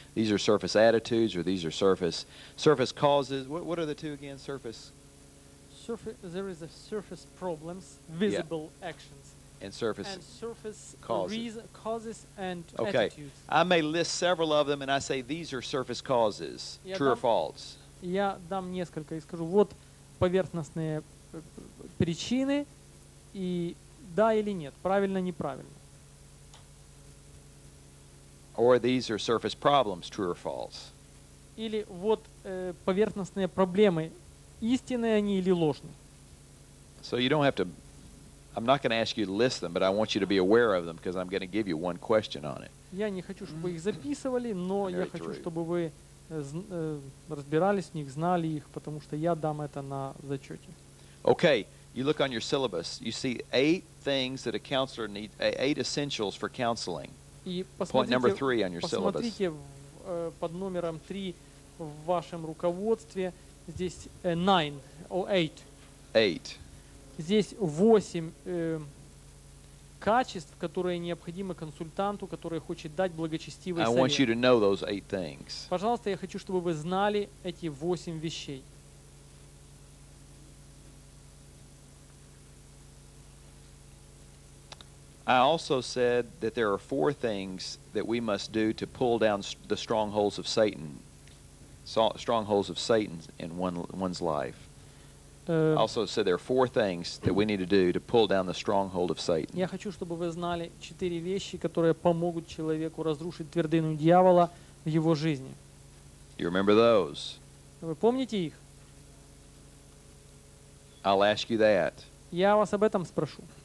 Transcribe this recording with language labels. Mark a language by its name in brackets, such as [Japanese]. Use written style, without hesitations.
[English] These are surface attitudes, or these are surface causes. What are the two again? Surface. there is a surface problems, visible yeah. actions. And surface causes and okay. attitudes. Okay. I may list several of them and I say these are surface causes, [Russian] я [English] true [Russian] дам, [English] or false. [Russian] Я дам несколько и скажу, вот поверхностные причины и да или нет, правильно, неправильно. [English] Or these are surface problems, true or false. [Russian] Или вот поверхностные проблемы, истинные они или ложные. [English] So you don't have to, I'm not going to ask you to list them, but I want you to be aware of them because I'm going to give you one question on it. [Russian] Я не хочу, чтобы их записывали, но я хочу, чтобы вы разбирались в них, знали их, потому что я дам это на зачете. [English] Okay, you look on your syllabus, you see eight things that a counselor needs, eight essentials for counseling. Point number three on your syllabus. [Russian] Посмотрите под номером три в вашем руководстве, здесь [English] nine, or eight. Eight. [Russian] Здесь восемь качеств, которые необходимы консультанту, который хочет дать благочестивый совет. [English] I want you to know those eight things. [Russian] Пожалуйста, я хочу, чтобы вы знали эти восемь вещей. [English] I also said that there are four things that we must do to pull down the strongholds of Satan, strongholds of Satan in one's life. I also said there are four things that we need to do to pull down the stronghold of Satan. [Russian] Я хочу, чтобы вы знали четыре вещи, которые помогут человеку разрушить твердыню дьявола в его жизни. [English] You remember those? [Russian] Вы помните их? [English] I'll ask you that. [Russian] Я вас об этом спрошу.